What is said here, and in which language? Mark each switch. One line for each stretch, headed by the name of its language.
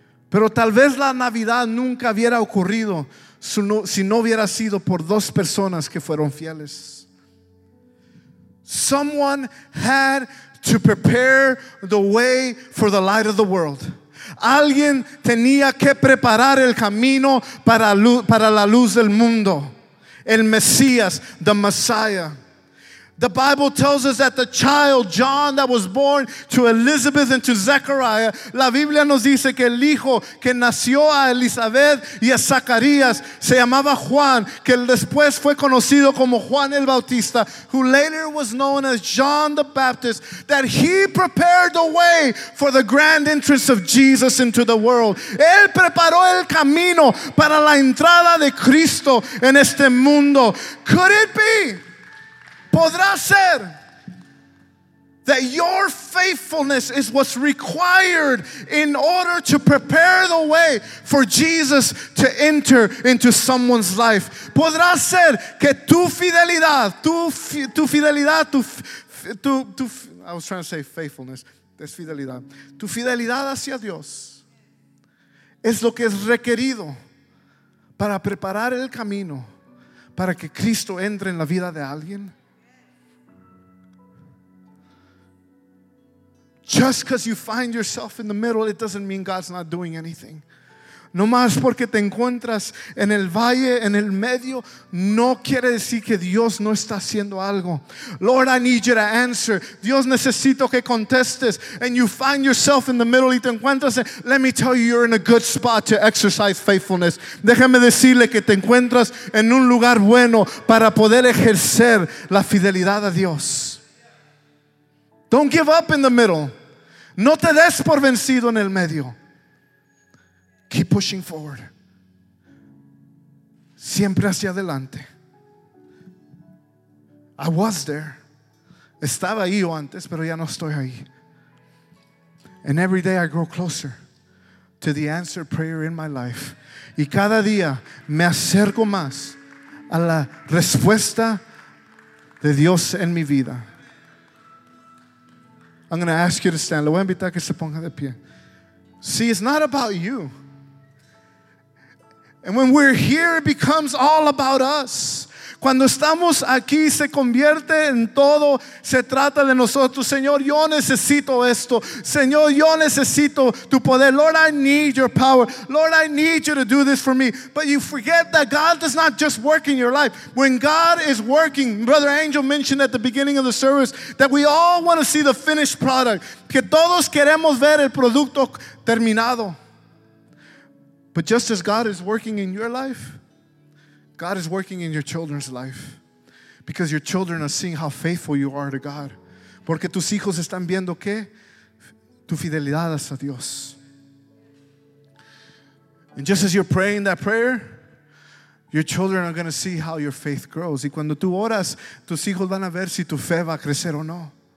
Spanish: Pero tal vez la Navidad nunca hubiera ocurrido si no hubiera sido por dos personas que fueron fieles.
English: Someone had to prepare the way for the light of the world.
Spanish: Alguien tenía que preparar el camino para la luz del mundo. El Mesías,
English: the Messiah. The Bible tells us that the child John that was born to Elizabeth and to Zechariah.
Spanish: La Biblia nos dice que el hijo que nació a Elizabeth y a Zacarías se llamaba Juan, que después fue conocido como Juan el Bautista,
English: who later was known as John the Baptist, that he prepared the way for the grand entrance of Jesus into the world.
Spanish: Él preparó el camino para la entrada de Cristo en este mundo.
English: Could it be?
Spanish: Podrá ser
English: that your faithfulness is what's required in order to prepare the way for Jesus to enter into someone's life.
Spanish: Podrá ser que tu fidelidad hacia Dios es lo que es requerido para preparar el camino para que Cristo entre en la vida de alguien.
English: Just because you find yourself in the middle, it doesn't mean God's not doing anything.
Spanish: No más porque te encuentras en el valle, en el medio, no quiere decir que Dios no está haciendo algo.
English: Lord, I need you to answer.
Spanish: Dios, necesito que contestes.
English: And you find yourself in the middle
Spanish: y te encuentras en,
English: let me tell you, you're in a good spot to exercise faithfulness.
Spanish: Déjame decirle que te encuentras en un lugar bueno para poder ejercer la fidelidad a Dios.
English: Don't give up in the middle.
Spanish: No te des por vencido en el medio.
English: Keep pushing forward.
Spanish: Siempre hacia adelante.
English: I was there.
Spanish: Estaba ahí o antes, pero ya no estoy ahí.
English: And every day I grow closer to the answered prayer in my life.
Spanish: Y cada día me acerco más a la respuesta de Dios en mi vida.
English: I'm going to ask you to stand.
Spanish: Le voy a invitar que se ponga de pie.
English: See, it's not about you. And when we're here, it becomes all about us.
Spanish: Cuando estamos aquí, se convierte en todo. Se trata de nosotros. Señor, yo necesito esto. Señor, yo necesito tu poder.
English: Lord, I need your power. Lord, I need you to do this for me. But you forget that God does not just work in your life. When God is working, Brother Angel mentioned at the beginning of the service that we all want to see the finished product.
Spanish: Que todos queremos ver el producto terminado.
English: But just as God is working in your life, God is working in your children's life because your children are seeing how faithful you are to God.
Spanish: Porque tus hijos están viendo que tu fidelidad es a Dios.
English: And just as you're praying that prayer, your children are going to see how your faith grows.
Spanish: Y cuando tú oras, tus hijos van a ver si tu fe va a crecer o no.